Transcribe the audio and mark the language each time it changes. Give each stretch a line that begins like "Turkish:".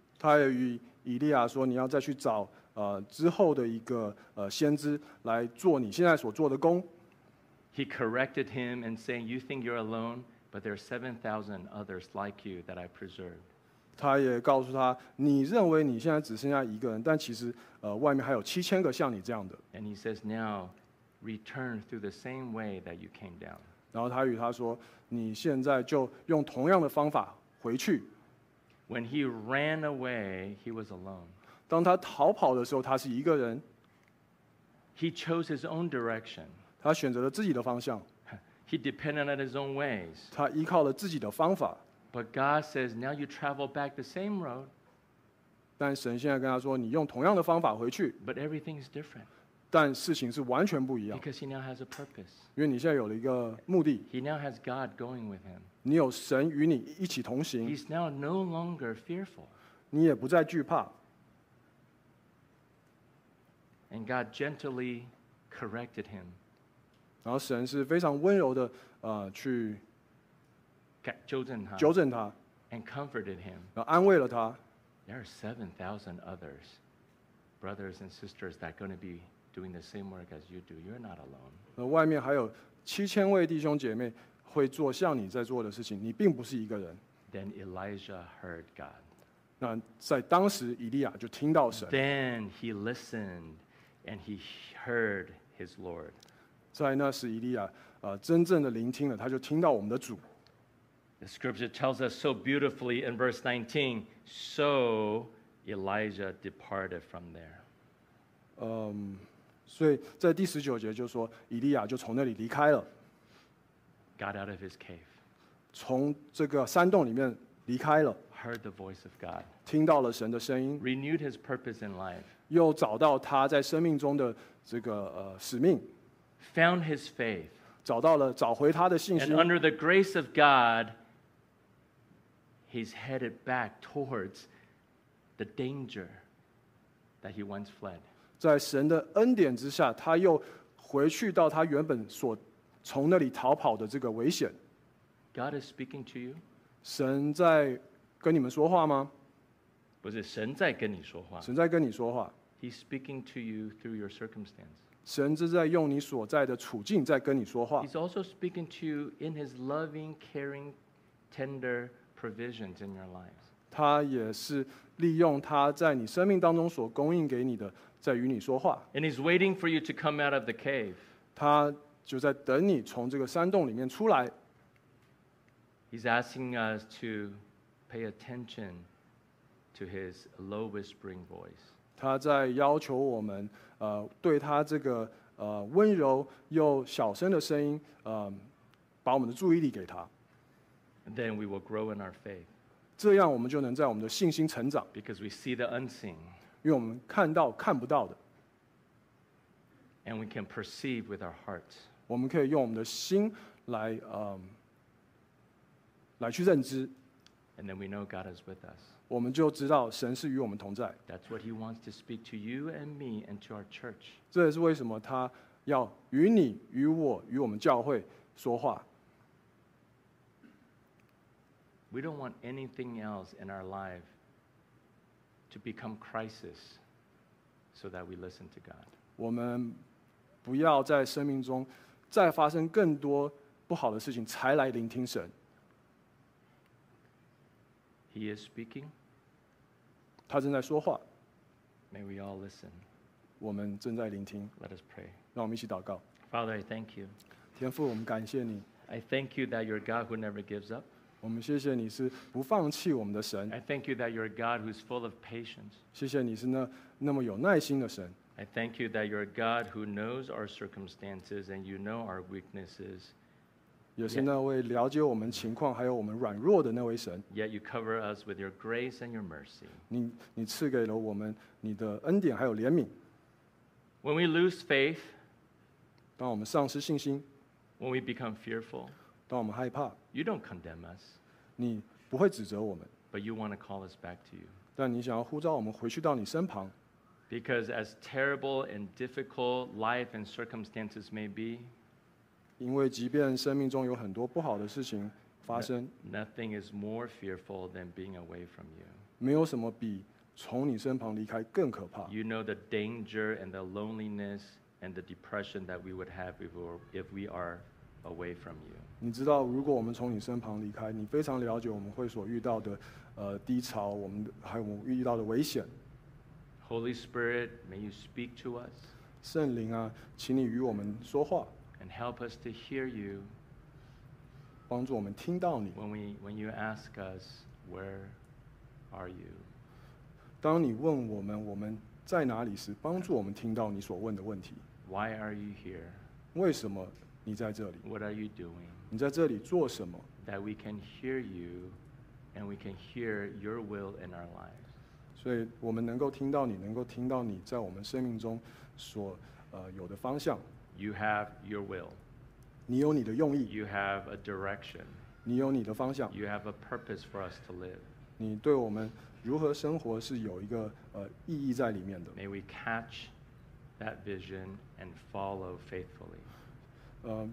Chinese: 他也与以利亚说，你要再去找之后的一个先知来做你现在所做的工。
English: He corrected him and saying, you think you're alone, but there are 7,000 others like you that I preserved.
Chinese: 他也告诉他，你认为你现在只剩下一个人，但其实外面还有7,000个像你这样的。
English: And he says now,Return through the same way that you came down.
Chinese: 然后他与他说，你现在就用同样的方法回去。
English: When he ran away, he was alone.
Chinese: 当他逃跑的时候，他是一个人。
English: He chose his own direction.
Chinese: 他选择了自己的方向。
English: He depended on his own ways.
Chinese: 他依靠了自己的方法。
English: But God says, now you travel back the same road.
Chinese: 但神现在跟他说，你用同样的方法回去。
English: But everything is different.
Chinese: 但事情是完全不一样。
English: Because he now has a purpose.
Chinese: 因为你现在有了一个目的。
English: He now has God going with him.
Chinese: 你有神与你一起同行。
English: He's now no longer fearful.
Chinese: 你也不再惧怕。
English: And God gently corrected him.
Chinese: 然后神是非常温柔的去纠正他。
English: And comforted him.
Chinese: 然后安慰了他。
English: There are 7,000 others, brothers and sisters, that are going to be. Doing the same work as you do, you're not alone.
Chinese: 外面还有7,000位弟兄姐妹会做像你在做的事情，你并不是一个人。
English: Then Elijah heard God.
Chinese: 那在当时，以利亚就听到神。
English: Then he listened, and he heard his Lord.
Chinese: 在那时，以利亚真正的聆听了，他就听到我们的主。
English: The scripture tells us so beautifully in verse 19. So Elijah departed from there.
Chinese: 所以在第十九节就说，以利亚就从那里离开了。
English: Got out of his cave.
Chinese: 从这个山洞里面离开了。
English: Heard the voice of God.
Chinese: 听到了神的声音。
English: Renewed his purpose in life.
Chinese: 又找到他在生命中的这个使命。
English: Found his faith.
Chinese: 找到了找回他的信心。
English: And under the grace of God, he's headed back towards the danger that he once fled.
Chinese: 在神的恩典之下，他又回去到他原本所从那里逃跑的这个危险。
English: God is speaking to you.
Chinese: 神在跟你们说话吗？不是，神在跟你说话。神在跟你说话。
English: He's speaking to you through your circumstance.
Chinese: 神正在用你所在的处境在跟你说话。
English: He's also speaking to you in his loving, caring, tender provisions in your lives.
Chinese: 他也是利用他在你生命当中所供应给你的。在与你说话。
English: And he's waiting for you to come out of the cave.
Chinese: 他就在等你从这个山洞里面出来。
English: He's asking us to pay attention to his low whispering voice.
Chinese: 他在要求我们对他这个温柔又小声的声音把我们的注意力给他。
English: And then we will grow in our faith.
Chinese: 这样我们就能在我们的信心成长。
English: Because we see the unseen.
Chinese: 因为我们看到看不到的。
English: And we can perceive with our hearts.
Chinese: 我们可以用我们的心来来去认知。
English: And then we know God is with us.
Chinese: 我们就知道神是与我们同在。
English: That's what he wants to speak to you and me and to our church.
Chinese: 这也是为什么他要与你与我与我们教会说话。
English: We don't want anything else in our lifeTo become crisis, so that we listen to God.
Chinese: 我们不要在生命中再发生更多不好的事情，才来聆听神。
English: He is speaking.
Chinese: 他正在说话。
English: May we all listen.
Chinese: 我们正在聆听。
English: Let us pray.
Chinese: 让我们一起祷告。
English: Father, I thank you.
Chinese: 天父，我们感谢你。
English: I thank you that you're God who never gives up.
Chinese: 我们谢谢你是不放弃我们的神。
English: I thank you that you're God who's full of patience.
Chinese: 谢谢你是那么有耐心的神。
English: I thank you that you're God who knows our circumstances and you know our weaknesses.
Chinese: 也是那位了解我们情况还有我们软弱的那位神。
English: Yet you cover us with your grace and your mercy.
Chinese: 你赐给了我们你的恩典还有怜悯。
English: When we lose faith,
Chinese: 当我们丧失信心，
English: when we become fearful,
Chinese: 当我们害怕，
English: you don't condemn us,
Chinese: 你不会指责我们，
English: but you want to call us back to you.
Chinese: 但你想要呼召我们回去到你身旁。
English: Because as terrible and difficult life and circumstances may be,
Chinese: 因为即便生命中有很多不好的事情发生，
English: Nothing is more fearful than being away from you.
Chinese: 没有什么比从你身旁离开更可怕。
English: You know the danger and the loneliness and the depression that we would have if we are away from you.
Chinese: 你知道如果我们从你身旁离开，你非常了解我们会所遇到的低潮，我们还有我们遇到的危险。
English: Holy Spirit, may you speak to us.
Chinese: 圣灵啊，请你与我们说话。
English: And help us to hear you.
Chinese: 帮助我们听到你。
English: When you ask us, where are you?
Chinese: 当你问我们我们在哪里时，帮助我们听到你所问的问题。
English: Why are you here?
Chinese: 为什么你在这里？
English: What are you doing?
Chinese: 你在这里做什么？
English: That we can hear you, and we can hear your will in our lives.
Chinese: 所以我们能够听到你，能够听到你在我们生命中所有的方向。
English: You have your will.
Chinese: 你有你的用意。
English: You have a direction.
Chinese: 你有你的方向。
English: You have a purpose for us to live.
Chinese: 你对我们如何生活是有一个意义在里面的。
English: May we catch that vision and follow faithfully.